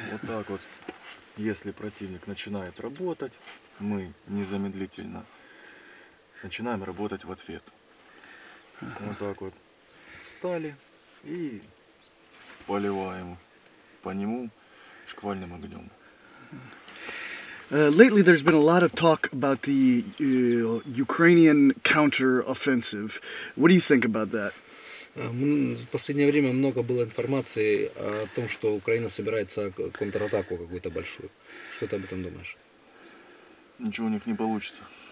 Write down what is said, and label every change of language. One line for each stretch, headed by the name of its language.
Russian: Вот так вот, если противник начинает работать, мы незамедлительно начинаем работать в ответ. Uh-huh. Вот так вот встали и... Поливаем по нему шквальным огнем.
English: Lately there's been a lot of talk about the Ukrainian counter-offensive. What do you think about that?
Russian: В последнее время много было информации о том, что Украина собирается контратаку какую-то большую. Что ты об этом думаешь? Ничего у них не получится.